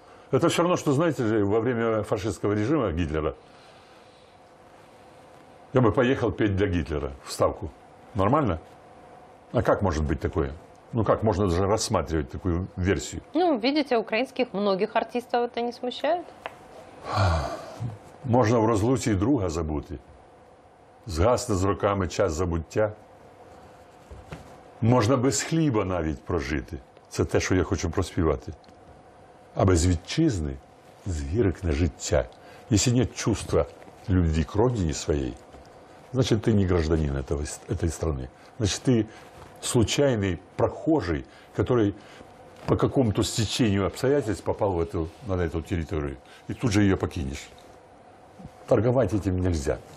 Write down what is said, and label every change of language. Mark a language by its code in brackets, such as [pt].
[ru] Это все равно, что, знаете же, во время фашистского режима Гитлера я бы поехал петь для Гитлера в Ставку. Нормально? А как может быть такое? Ну как, можно даже рассматривать такую версию? Ну, видите, украинских многих артистов это не смущает. [uk] Можно в розлуці и друга забути. Згасне з роками час забуття. Можна без хліба навіть прожити. Це те, що я хочу проспівати. А без вітчизни згіркне життя. [ru] Якщо нет чувства любви к [uk] родині своєї, [ru] значит, ти не гражданин этой страны. Значит, ти случайний прохожий, который по какому-то стечению обстоятельств попал на эту территорию. И тут же ее покинешь. Торговать этим нельзя.